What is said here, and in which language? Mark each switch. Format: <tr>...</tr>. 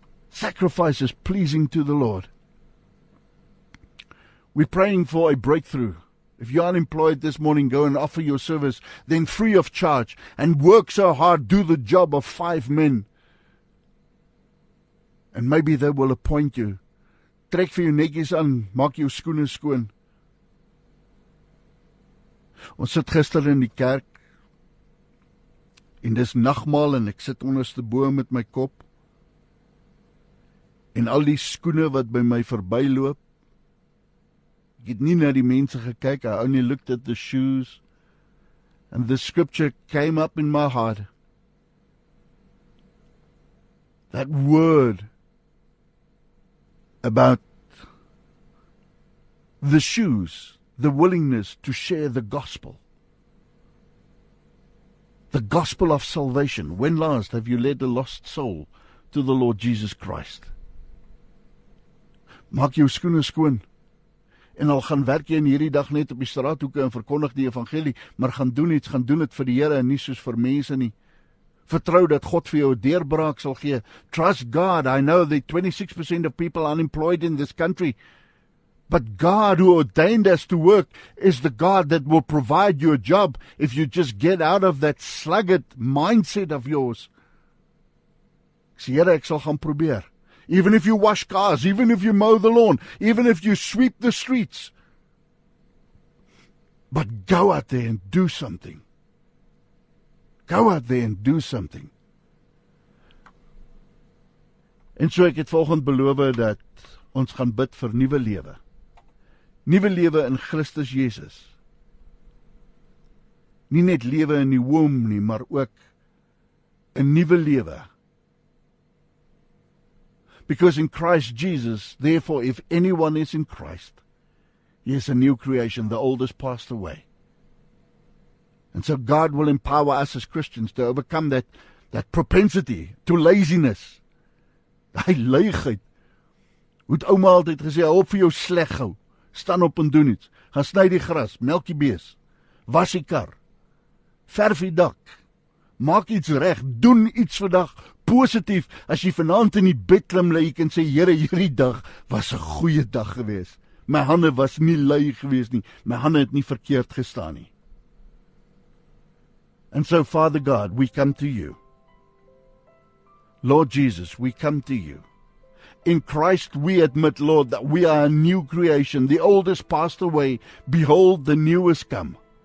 <en>Sacrifices pleasing to the Lord. We're praying for a breakthrough. If you're unemployed this morning, go and offer your service, then free of charge, and work so hard, do the job of 5 men. And maybe they will appoint you.</en> <af>Trek vir jou netjies aan, maak jou skoene skoon. Ons sit gister in die kerk, en dis nagmaal, en ek sit onderste bo met my kop, en al die skoene wat by my verby loop, ek het nie na die mense gekyk,</af> <en>I only looked at the shoes, and the scripture came up in my heart. That word about the shoes, the willingness to share the gospel. The gospel of salvation. When last have you led a lost soul to the Lord Jesus Christ?</en> <af>Maak jou skoene skoon. En al gaan werk jy in hierdie dag net op die straathoeke en verkondig die evangelie, maar gaan doen dit vir die Here en nie soos vir mense nie. Vertrou dat God vir jou deurbraak sal gee.</af> <en>Trust God. I know that 26% of people unemployed in this country. But God who ordained us to work is the God that will provide you a job if you just get out of that sluggard mindset of yours.</en> <af>Here ek sal gaan probeer.</af> <en>Even if you wash cars, even if you mow the lawn, even if you sweep the streets. But go out there and do something. Go out there and do something.</en> <af>En so ek het volgend beloof dat ons gaan bid vir nuwe lewe. Nuwe lewe in Christus Jesus. Nie net lewe in die womb nie, maar ook 'n nuwe lewe.</af> <en>Because in Christ Jesus, therefore, if anyone is in Christ, he is a new creation, the old has passed away. And so God will empower us as Christians to overcome that propensity to laziness.</en> <af>Die leegheid. Hoe het ouma altyd gesê, hop vir jou sleg gou, staan op en doen iets. Gaan sny die gras, melk die bees, was die kar, verf die dak, maak iets reg, doen iets vandag, positief, as jy vanavond in die bed klim, jy kan sê, Here, hierdie dag was 'n goeie dag gewees. My hande was nie lui gewees nie. My hande het nie verkeerd gestaan nie.</af> <en>And so, Father God, we come to you. Lord Jesus, we come to you. In Christ we admit, Lord, that we are a new creation. The old has passed away. Behold, the new has come.</en>